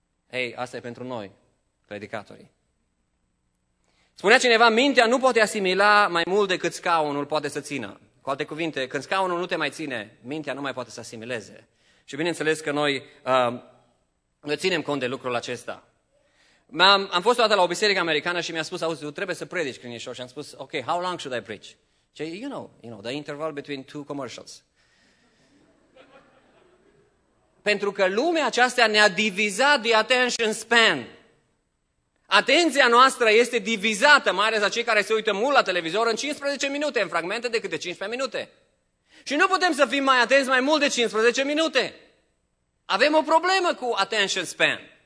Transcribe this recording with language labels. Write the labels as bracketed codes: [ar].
[ro] Ei, asta e pentru noi, predicatorii. Spunea cineva, mintea nu poate asimila mai mult decât scaunul poate să țină. Cu alte cuvinte, când scaunul nu te mai ține, mintea nu mai poate să asimileze. Și bineînțeles că noi ne ținem cont de lucrul acesta. Am fost o dată la o biserică americană și mi-a spus, auzi, trebuie să predici când ești. Și am spus, [en] ok, how long should I preach? [ro] Ce, [en] you know, the interval between two commercials. [ro] Pentru că lumea aceasta ne-a divizat [en] the attention span. [ro] Atenția noastră este divizată, mai ales la cei care se uită mult la televizor, în 15 minute, în fragmente de câte 15 minute. Și nu putem să fim mai atenți mai mult de 15 minute. Avem o problemă cu attention span.